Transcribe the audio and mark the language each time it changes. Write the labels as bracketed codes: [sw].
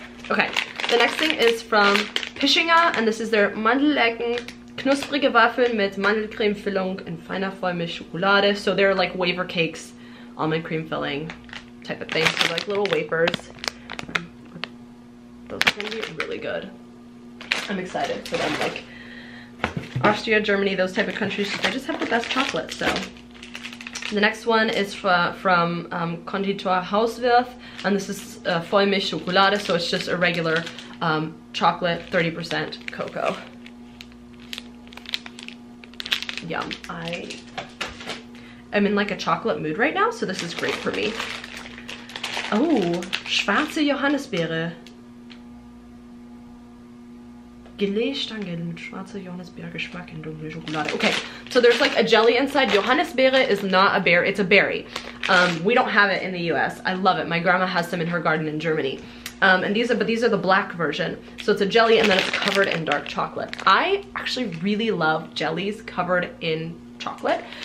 [en] Okay, the next thing is from Pischinger, and this is their Mandelecken. [de] Knusprige Waffeln mit Mandelcreme Füllung und feiner Vollmilchschokolade. [en] So they're like wafer cakes, almond cream filling type of thing. So like little wafers. Those are gonna be really good. I'm excited for them. Like Austria, Germany, those type of countries, they just have the best chocolate. So the next one is from Konditor Hauswirth, and this is Vollmilchschokolade. So it's just a regular chocolate, 30% cocoa. Yum. I am in like a chocolate mood right now, so this is great for me. [de] Oh, schwarze Johannisbeere. Gelegt angeln mit schwarzer Johannisbeere Geschmack in dunkle Schokolade. [en] Okay, so there's like a jelly inside. Johannisbeere is not a berry, it's a berry. We don't have it in the US. I love it. My grandma has some in her garden in Germany. But these are the black version. So it's a jelly and then it's covered in dark chocolate. I actually really love jellies covered in chocolate.